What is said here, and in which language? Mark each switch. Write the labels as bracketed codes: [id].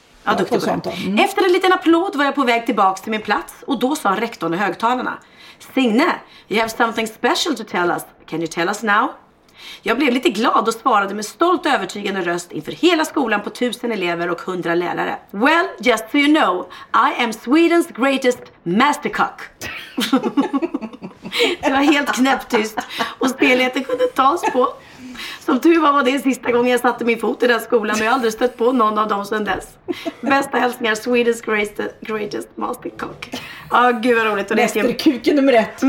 [sv] Ja, duktig på det. Efter en liten applåd var jag på väg tillbaka till min plats och då sa rektorn i högtalarna: Signe, [en] you have something special to tell us. Can you tell us now? [sv] Jag blev lite glad och svarade med stolt övertygande röst inför hela skolan på 1000 elever och 100 lärare. [en] Well, just so you know, I am Sweden's greatest mastercock. [sv] Det var helt knäpptyst och spelheten kunde tas på. Som tur var det sista gången jag satte min fot i den skolan, men jag har aldrig stött på någon av dem sedan dess. Bästa hälsningar, [en] Sweden's greatest mastercock. [sv] Gud vad roligt. Mästerkuken nummer 1.